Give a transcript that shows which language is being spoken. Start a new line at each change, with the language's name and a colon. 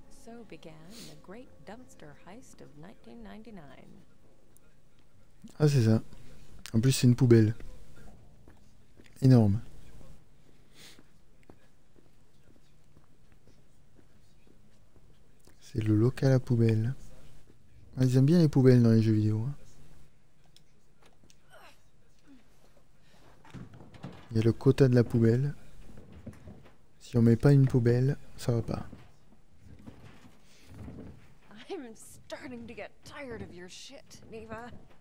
English: So began the great dumpster heist of 1999.
French: Ah, c'est ça. En plus, c'est une poubelle. Énorme. C'est le local à poubelle. Ah, ils aiment bien les poubelles dans les jeux vidéo. Il y a le quota de la poubelle. Si on met pas une poubelle, ça va pas.
English: I'm starting to get tired of your shit, Neva.